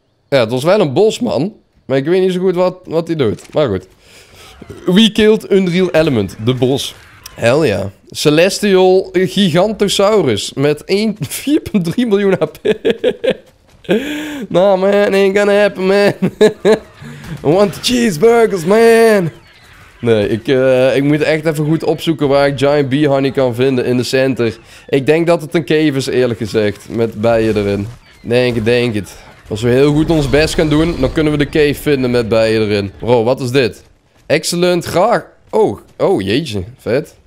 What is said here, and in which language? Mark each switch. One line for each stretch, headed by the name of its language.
Dutch: Ja, het was wel een bos, man. Maar ik weet niet zo goed wat hij doet. Maar goed.
English: We killed Unreal Element,
Dutch: de bos.
English: Hell ja.
Dutch: Celestial Gigantosaurus met 4,3 miljoen HP.
English: Nah, man, ain't gonna happen, man. I want the cheeseburgers, man.
Dutch: Nee, ik moet echt even goed opzoeken waar ik Giant Bee Honey kan vinden in de center. Ik denk dat het een cave is, eerlijk gezegd. Met bijen erin. Denk het. Als we heel goed ons best gaan doen, dan kunnen we de cave vinden met bijen erin. Bro, wat is dit? Excellent, graag. Oh, jeetje. Vet.